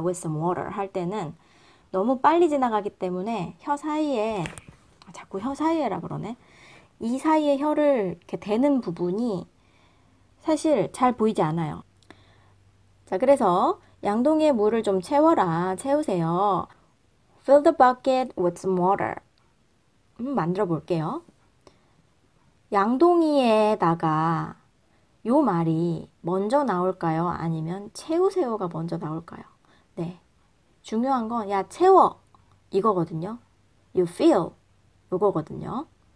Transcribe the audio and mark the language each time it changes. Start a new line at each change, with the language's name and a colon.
English: With some water
Korean: 할 때는 너무 빨리 지나가기 때문에 혀 사이에 자꾸 혀 사이에라 그러네. 이 사이에 혀를 이렇게 대는 부분이 사실 잘 보이지 않아요. 자, 그래서 양동이에 물을 좀 채워라. 채우세요.
English: Fill the bucket with some water.
Korean: 만들어 볼게요. 양동이에다가 요 말이 먼저 나올까요? 아니면 채우세요가 먼저 나올까요? 네. 중요한 건 야, 채워. 이거거든요.
English: You fill.
Korean: 요거거든요.